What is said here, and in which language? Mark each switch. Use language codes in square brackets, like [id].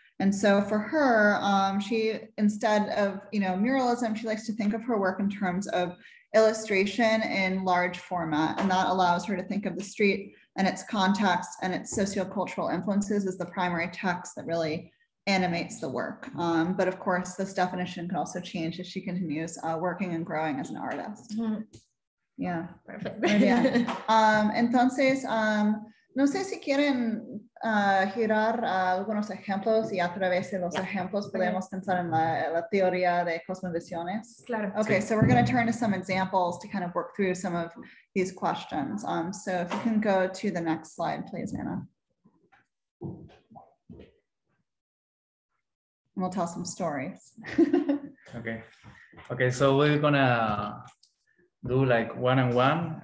[en] And so for her, she, instead of, you know, muralism, she likes to think of her work in terms of illustration in large format. And that allows her to think of the street and its context and its sociocultural influences as the primary text that really animates the work. But of course, this definition can also change as she continues working and growing as an artist. Mm-hmm. Yeah. Perfect. Yeah. [es] Entonces, no sé si quieren girar algunos ejemplos y a través de los ejemplos podemos pensar en la teoría de cosmovisiones. Claro. [en] Okay, so we're going to turn to some examples to kind of work through some of these questions. So if you can go to the next slide, please, Anna. And we'll tell some stories. Okay, so we're gonna do like one and one.